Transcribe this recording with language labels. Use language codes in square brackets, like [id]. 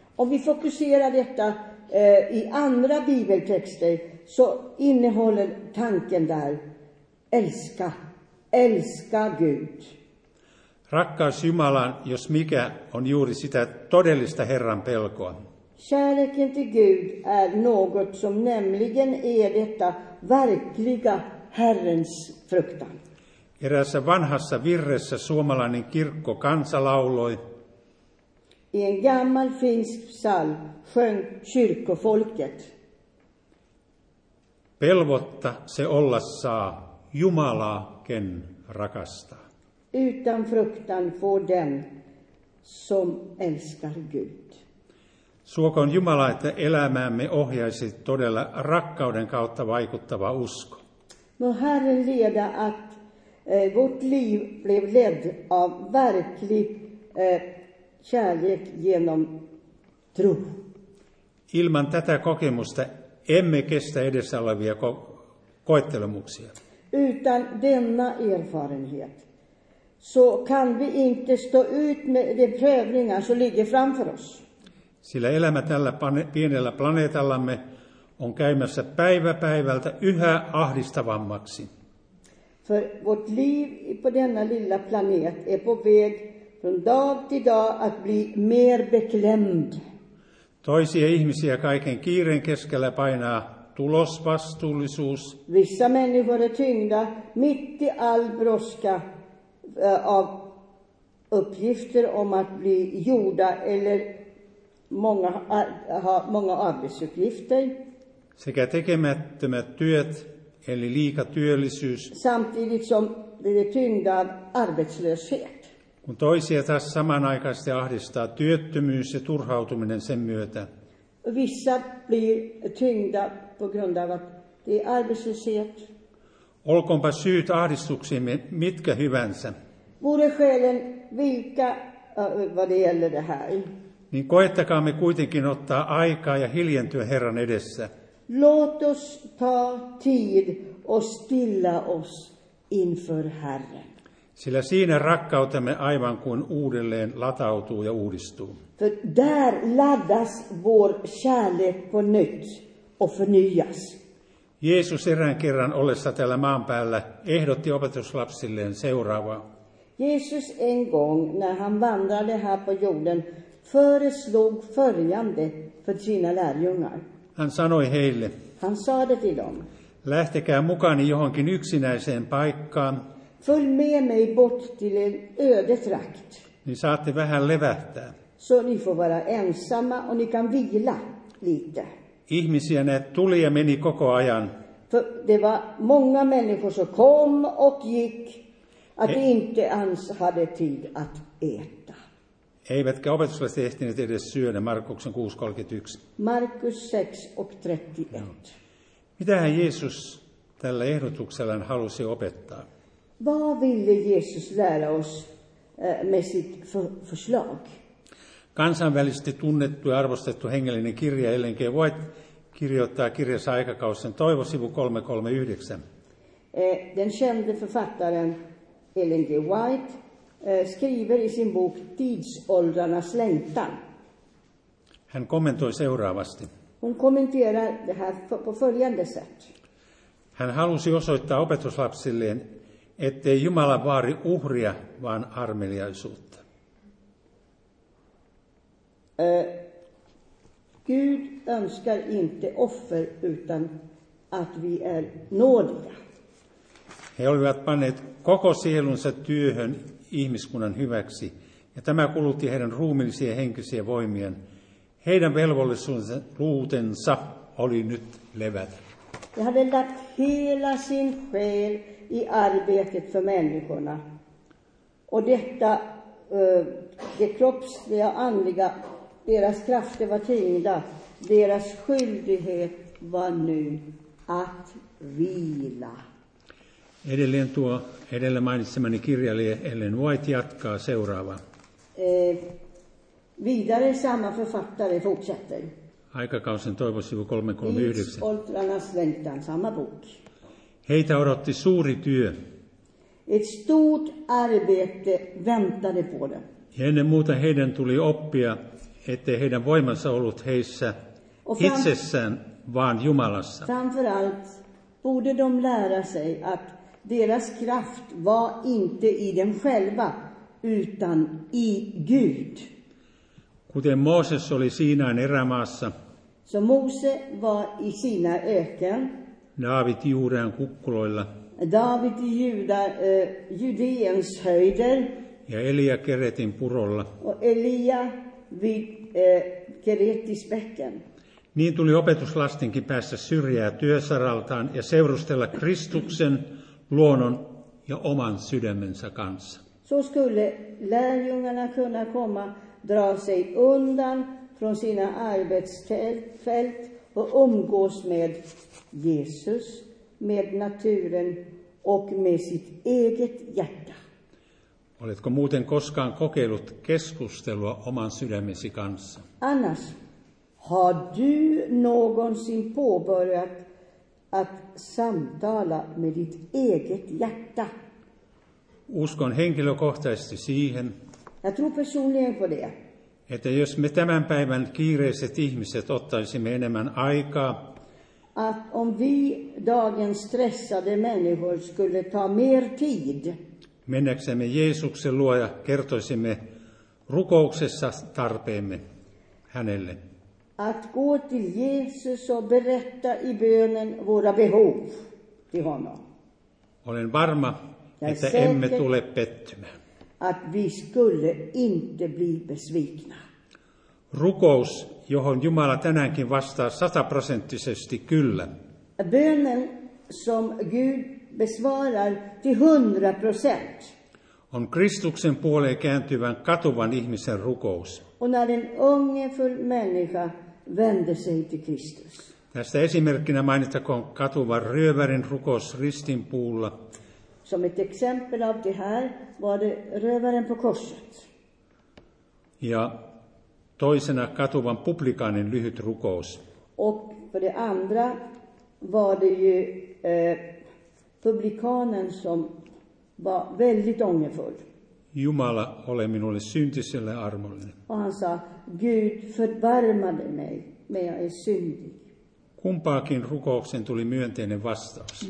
[sv] Om vi fokuserar detta i andra bibeltexter så innehåller tanken där älska, älska Gud. [fi] Rakkaus Jumalan, jos mikä, on juuri sitä todellista Herran pelkoa. [sv] Kärleken till Gud är något som nämligen är detta verkliga Herrens fruktan. [fi] Eräässä vanhassa virressä suomalainen kirkko kansa lauloi. [sv] I en gammal finsk psalm sjöng kyrkofolket. [fi] Pelvotta se olla saa Jumalaa, ken rakastaa. [sv] Utan fruktan får den som älskar Gud. [fi] Suokoon Jumala, että elämäämme ohjaisi todella rakkauden kautta vaikuttava usko. [sv] No Herren leda att vårt liv blev ledd av verklig kärlek genom tro. [fi] Ilman tätä kokemusta emme kestä edessä olevia koettelemuksia. [sv] Utan denna erfarenhet så kan vi inte stå ut med de prövningar som ligger framför oss. [fi] Sillä elämä tällä pienellä planeetallamme on käymässä päivä päivältä yhä ahdistavammaksi. [sv] För vårt liv på denna lilla planet är på väg från dag till dag att bli mer beklämd. [fi] Toisia ihmisiä kaiken kiiren keskellä painaa tulosvastuullisuus. [sv] Vissa människor är tyngda mitt i all broska av uppgifter om att bli gjorda eller många arbetsuppgifter. [fi] Sekä tekemättömät työt. Eli liika työllisyys. [sv] Samtidigt som det är tyngda av arbetslöshet. [fi] Kun toisia taas samanaikaisesti ahdistaa työttömyys ja turhautuminen sen myötä. [sv] Vissa blir tyngda på grund av att det är arbetslöshet. [fi] Olkoonpa syyt ahdistuksiimme mitkä hyvänsä. [sv] Vore skälen vilka vad det gäller det här. [fi] Niin koettakaamme kuitenkin ottaa aikaa ja hiljentyä Herran edessä. [sv] Låt oss ta tid och stilla oss inför Herren. [fi] Sillä siinä rakkautemme aivan kuin uudelleen latautuu ja uudistuu. [sv] För där laddas vår kärlek på nytt och förnyas. [fi] Jeesus erään kerran ollessa täällä maan päällä ehdotti opetuslapsilleen seuraavaa. [sv] Jeesus en gång när han vandrade här på jorden föreslog följande för sina lärjungar. [fi] Hän sanoi heille. [sv] Han sa det till dem. [fi] Lähtekää mukani johonkin yksinäiseen paikkaan. [sv] Följ med mig bort till en öde trakt. [fi] Niin saatte vähän levähtää. [sv] Så ni får vara ensamma och ni kan vila lite. [fi] Ihmisiä näet tuli ja meni koko ajan. [sv] För det var många människor som kom och gick. Att inte ens hade tid att äta. [fi] Eivätkä opetuslaiset ehtineet edes syödä, Markuksen 6.31. [sv] Markus 6.31. [fi] Mitähän Jeesus tällä ehdotuksellaan halusi opettaa? [sv] Vad ville Jeesus lära oss med sitt förslag? [fi] Kansainvälisesti tunnettu ja arvostettu hengellinen kirja Ellen G. White kirjoittaa kirjassa Aikakausen toivo sivu 339. [sv] Den kände författaren Ellen G. White skriver i sin bok Tidsåldrarnas längtan. [fi] Hän kommentoi seuraavasti. [sv] Hon kommenterar det här på följande sätt. [fi] Hän halusi osoittaa opetuslapsilleen, ettei Jumala vaari uhria, vaan armeliaisuutta. [sv] Gud önskar inte offer utan att vi är nådiga. [fi] He olivat panneet koko sielunsa työhön ihmiskunnan hyväksi, ja tämä kulutti heidän ruumillisia henkisiä voimia. Heidän velvollisuutensa oli nyt levätä. Ja hän [sv] oli lagt hela sin själ i arbetet för människorna. Och detta, det kroppsliga och andliga, deras krafter var tyngda, deras skyldighet var nu att vila. [fi] Edelleen tuo edellä mainitsemani kirjailija Ellen White jatkaa seuraavaa. [sv] Vidare samma författare fortsätter. [fi] Aikakausen toivo sivu 339. [sv] Tidsåldrarnas längtan, samma bok. [fi] Heitä odotti suuri työ. [sv] Ett stort arbete väntade på dem. [fi] Ja ennen muuta heidän tuli oppia, ettei heidän voimansa ollut heissä itsessään, vaan Jumalassa. [sv] Framför allt borde de lära sig att deras kraft var inte i dem själva, utan i Gud. [fi] Kuten Mooses oli Siinain erämaassa. [sv] Så Mose var i sina öken. [fi] David i Juudean kukkuloilla. [sv] David i Judeens höjder. [fi] Ja Elia Keretin purolla. [sv] Och Elia vid Keretis bäcken. [fi] Niin tuli opetuslastenkin päässä syrjää työsaraltaan ja seurustella Kristuksen, luonnon ja oman sydämensä kanssa. [sv] Så skulle lärjungarna kunna komma, dra sig undan från sina arbetsfält och umgås med Jesus, med naturen och med sitt eget hjärta. [fi] Oletko muuten koskaan kokeillut keskustelua oman sydämesi kanssa? [sv] Annars, har du någonsin påbörjat att samtala med ditt eget hjärta? [fi] Uskon henkilökohtaisesti siihen. [sv] Jag tror personligen på det. [fi] Että jos me tämän päivän kiireiset ihmiset ottaisimme enemmän aikaa, [sv] att om vi dagens stressade människor skulle ta mer tid, [fi] mennäksemme Jeesuksen luo ja kertoisimme rukouksessa tarpeemme hänelle, [sv] att gå till Jesus och berätta i bönen våra behov till honom, [fi] olen varma, että emme tule pettymään, [sv] att vi skulle inte bli besvikna. [fi] Rukous, johon Jumala tänäänkin vastaa 100-prosenttisesti kyllä. [sv] Bönen som Gud besvarar till 100%. [fi] On Kristuksen puoleen kääntyvän katuvan ihmisen rukous. [sv] Och när en ångerfull människa vänder sig till Kristus. [fi] Tästä esimerkkinä mainittakoon katuvan ryövärin rukous ristin puulla. [sv] Som ett exempel av det här var det rövaren på korset. [fi] Ja toisena katuvan publikaanin lyhyt rukous. [sv] Och för det andra var det ju publikaanen som var väldigt ångerfull. [fi] Jumala, ole minulle syntiselle armollinen. [sv] Och han sa, Gud förbarmade mig, men jag är syndig. [fi] Kumpaakin rukouksen tuli myönteinen vastaus.